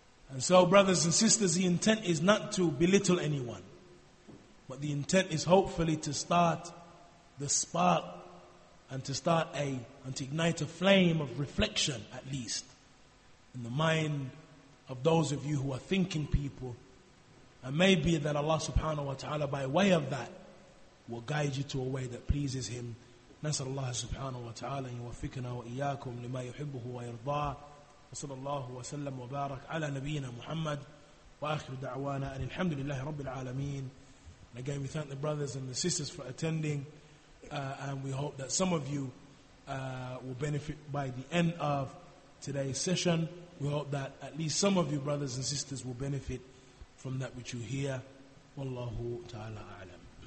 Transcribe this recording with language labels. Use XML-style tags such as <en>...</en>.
<en>And so, brothers and sisters, the intent is not to belittle anyone, but the intent is hopefully to start the spark and to start and to ignite a flame of reflection, at least, in the mind of those of you who are thinking people. And maybe that Allah subhanahu wa ta'ala, by way of that, will guide you to a way that pleases Him.</en> <ar>نسأل الله سبحانه وتعالى أن يوفقنا وإياكم لما يحبه ويرضاه. وصلى الله وسلم وبارك على نبينا محمد وآخر دعوانا أن الحمد لله رب العالمين.</ar> <en>And again, we thank the brothers and the sisters for attending, and we hope that some of you will benefit by the end of today's session. We hope that at least some of you brothers and sisters will benefit from that which you hear.</en> <ar>والله تعالى أعلم.</ar>